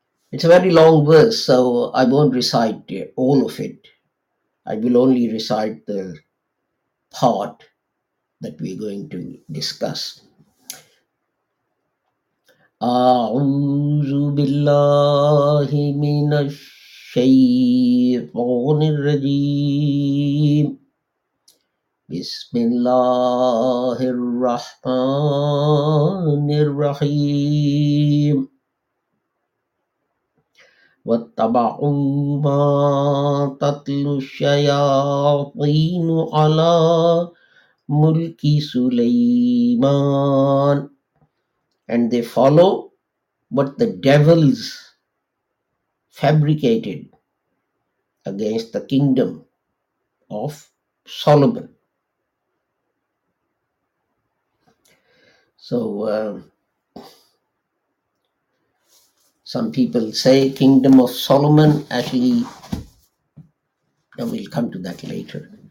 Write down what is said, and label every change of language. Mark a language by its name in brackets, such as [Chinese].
[English] It's a very long verse, so I won't recite all of it. I will only recite the part that we are going to discuss. [Arabic] أعوذ بالله من الشيطان الرجيم بسم الله الرحمن الرحيم واتبعوا ما تتلو الشياطين على ملك سليمان. [English] And they follow what the devils fabricated against the kingdom of Solomon. So, some people say kingdom of Solomon, actually, we'll come to that later.